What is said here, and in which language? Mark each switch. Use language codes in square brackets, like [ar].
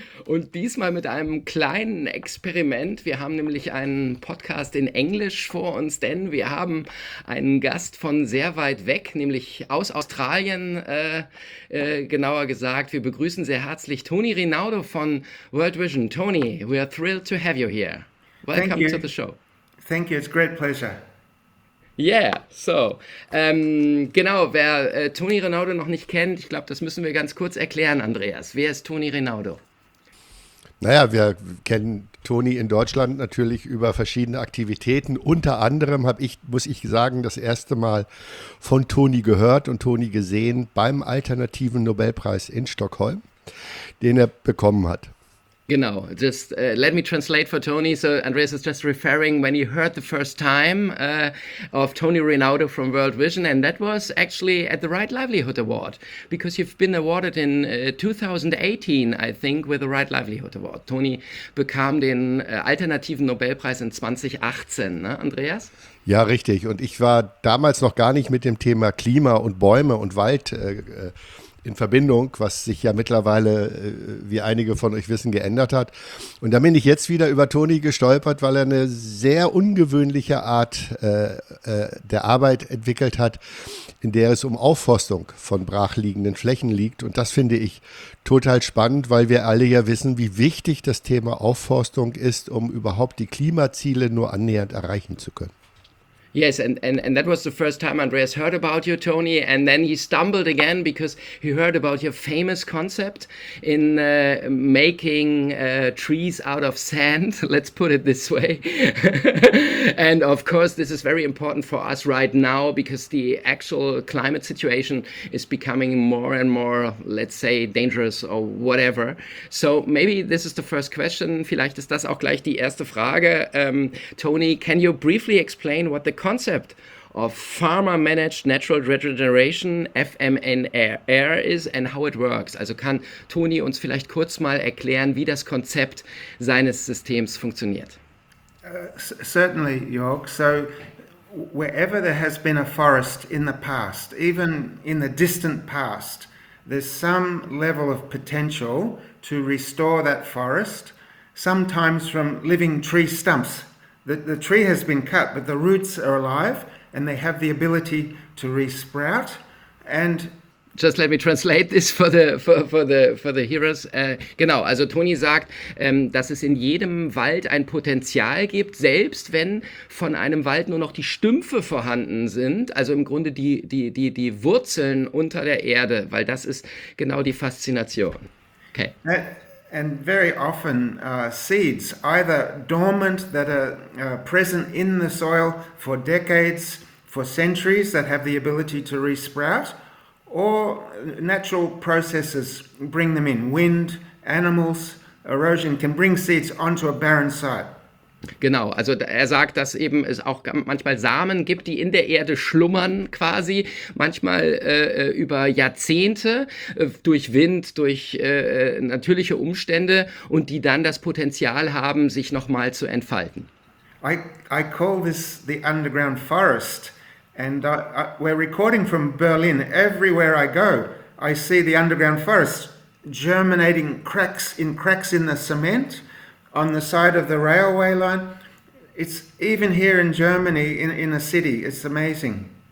[de] Und diesmal mit einem kleinen Experiment. Wir haben nämlich einen Podcast in Englisch vor uns, denn wir haben einen Gast von sehr weit weg, nämlich aus Australien, genauer gesagt. Wir begrüßen sehr herzlich Tony Rinaudo von World Vision. [en] Tony, we are thrilled to have you here. Welcome to the show. Thank you, it's a great pleasure. Yeah, so, [de] genau, wer Tony Rinaudo noch nicht kennt, ich glaube, das müssen wir ganz kurz erklären, Andreas. Wer ist Tony Rinaudo? Naja, wir kennen Tony in Deutschland natürlich über verschiedene Aktivitäten. Unter anderem habe ich, muss ich sagen, das erste Mal von Tony gehört und Tony gesehen beim Alternativen Nobelpreis in Stockholm, den er bekommen hat. Genau, [en] just let me translate for Tony. So Andreas is just referring when he heard the first time of Tony Rinaudo from World Vision, and that was actually at the Right Livelihood Award, because you've been awarded in 2018, I think, with the Right Livelihood Award. [de] Tony bekam den alternativen Nobelpreis in 2018, ne, Andreas? Ja, richtig. Und ich war damals noch gar nicht mit dem Thema Klima und Bäume und Wald in Verbindung, was sich ja mittlerweile, wie einige von euch wissen, geändert hat. Und da bin ich jetzt wieder über Tony gestolpert, weil er eine sehr ungewöhnliche Art der Arbeit entwickelt hat, in der es um Aufforstung von brachliegenden Flächen liegt. Und das finde ich total spannend, weil wir alle ja wissen, wie wichtig das Thema Aufforstung ist, um überhaupt die Klimaziele nur annähernd erreichen zu können. [en] Yes, and that was the first time Andreas heard about you, Tony, and then he stumbled again because he heard about your famous concept in making trees out of sand, let's put it this way. And of course, this is very important for us right now because the actual climate situation is becoming more and more, let's say, dangerous or whatever. So maybe this is the first question, [de] vielleicht ist das auch gleich die erste Frage. [en] Tony, can you briefly explain what the concept of farmer managed natural regeneration FMNR is and how it works. [de] Also kann Tony uns vielleicht kurz mal erklären, wie das Konzept seines Systems funktioniert? [en] Certainly, Jörg. So wherever there has been a forest in the past, even in the distant past, there's some level of potential to restore that forest, sometimes from living tree stumps. The tree has been cut, but the roots are alive and they have the ability to re-sprout. And just let me translate this for the hearers. [de] Genau, also Tony sagt, dass es in jedem Wald ein Potenzial gibt, selbst wenn von einem Wald nur noch die Stümpfe vorhanden sind, also im Grunde die Wurzeln unter der Erde, weil das ist genau die Faszination. [en] Okay. And very often seeds, either dormant that are present in the soil for decades, for centuries, that have the ability to re-sprout, or natural processes bring them in. Wind, animals, erosion can bring seeds onto a barren site. [de] Genau, also er sagt, dass eben es auch manchmal Samen gibt, die in der Erde schlummern quasi, manchmal über Jahrzehnte durch Wind, durch natürliche Umstände und die dann das Potenzial haben, sich nochmal zu entfalten. [en] I call this the underground forest and we're recording from Berlin. Everywhere I go, I see the underground forest germinating cracks in the cement. On the side of the railway line, it's even here in Germany, in a city, it's amazing.